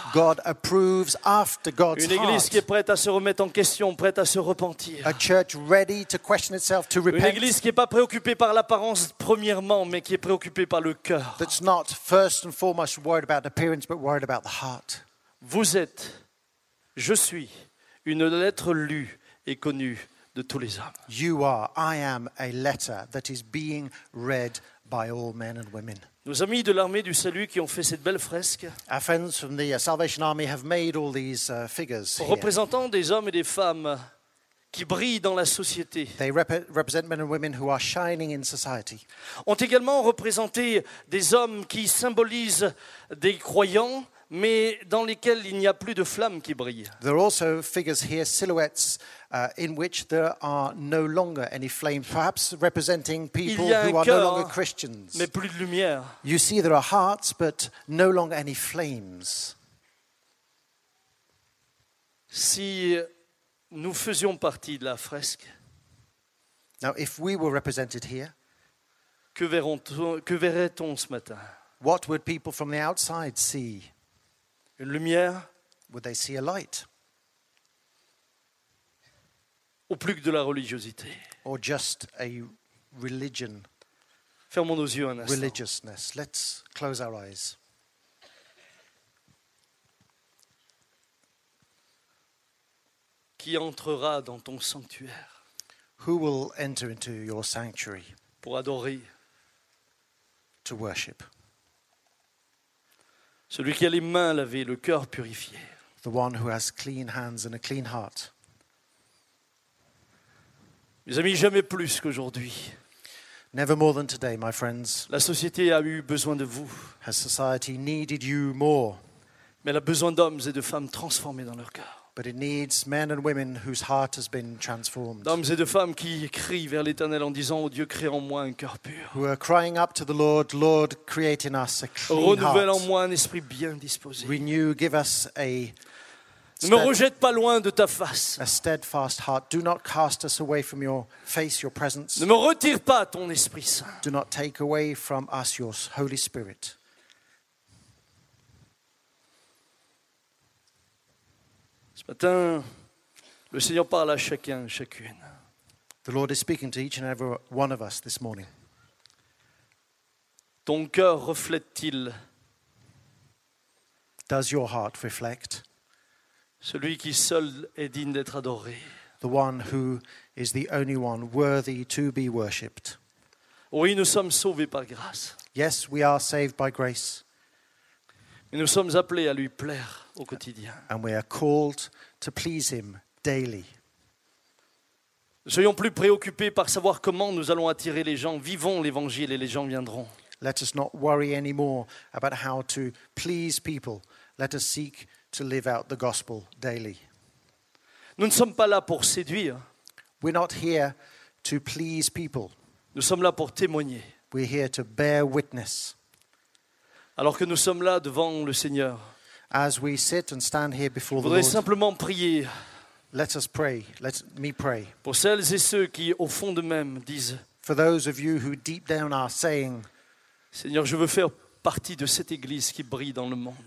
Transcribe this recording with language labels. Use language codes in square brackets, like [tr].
[en] God approves after God's heart. [fr] Une église [en] heart. [fr] Qui est prête à se remettre en question, prête à se repentir. [en] A church ready to question itself, to repent. [fr] Une église qui n'est pas préoccupée par l'apparence premièrement, mais qui est préoccupée par le cœur. [en] That's not first and foremost worried about appearance, but worried about the heart. [fr] Vous êtes, je suis, une lettre lue et connue de tous les hommes. [en] You are, I am a letter that is being read by all men and women. [fr] Nos amis de l'armée du salut qui ont fait cette belle fresque. [en] Our friends from the Salvation Army have made all these figures. [fr] Représentant [en] here. [fr] Des hommes et des femmes qui brillent dans la société. [en] They represent men and women who are shining in society. [fr] Ont également représenté des hommes qui symbolisent des croyants, mais dans lesquels il n'y a plus de flamme qui brille. [en] There are also figures here, silhouettes in which there are no longer any flames, perhaps representing people who are no longer Christians. [fr] Mais plus de lumière. [en] You see there are hearts, but no longer any flames. [fr] Si nous faisions partie de la fresque, [en] now, if we were represented here, [fr] que verrait-on ce matin? [en] What would people from the outside see? [fr] Une lumière. [en] Would they see a light? [fr] Ou plus que de la religiosité. [en] Or just a religion. [fr] Fermons nos yeux un instant. [en] Religiousness. Let's close our eyes. [fr] Qui entrera dans ton sanctuaire? [en] Who will enter into your sanctuary? [fr] Pour adorer. [en] To worship. [fr] Celui qui a les mains lavées, le cœur purifié. [en] The one who has clean hands and a clean heart. [fr] Mes amis, jamais plus qu'aujourd'hui. [en] Never more than today, my friends. [fr] La société a eu besoin de vous. [en] Has society needed you more? [fr] Mais elle a besoin d'hommes et de femmes transformés dans leur cœur. [en] But it needs men and women whose heart has been transformed. [fr] D'hommes et de femmes qui crient vers l'Éternel en disant, oh Dieu, crée en moi un cœur pur. [en] Who are crying up to the Lord, Lord, create in us a clean heart. [fr] Renouvelle en moi un esprit bien disposé. [en] Renew, give us a [fr] ne me rejette pas loin de ta face. [en] A steadfast heart. Do not cast us away from your face, your presence. [fr] Ne me retire pas ton Esprit Saint. [en] Do not take away from us your Holy Spirit. [fr] Ce matin, le Seigneur parle à chacun, chacune. [en] The Lord is speaking to each and every one of us this morning. [fr] Ton cœur reflète-t-il? [en] Does your heart reflect? [fr] Celui qui seul est digne d'être adoré. [en] The one who is the only one worthy to be worshipped. [fr] Oui, nous sommes sauvés par grâce. [en] Yes, we are saved by grace. [fr] Mais nous sommes appelés à lui plaire au quotidien. [en] And we are called to please him daily. [fr] Ne soyons plus préoccupés par savoir comment nous allons attirer les gens. Vivons l'évangile et les gens viendront. [en] Let us not worry anymore about how to please people. Let us seek to live out the gospel daily. [fr] Nous ne sommes pas là pour séduire. [en] We're not here to please people. [fr] Nous sommes là pour témoigner. [en] We're here to bear witness. [fr] Alors que nous sommes là devant le Seigneur. [en] As we sit and stand here before the Lord. [fr] Je voudrais simplement prier. [en] Let us pray. Let me pray. [fr] Pour celles et ceux qui au fond d'eux-mêmes disent. [en] For those of you who deep down are saying. [fr] Seigneur, je veux faire partie de cette église qui brille dans le monde.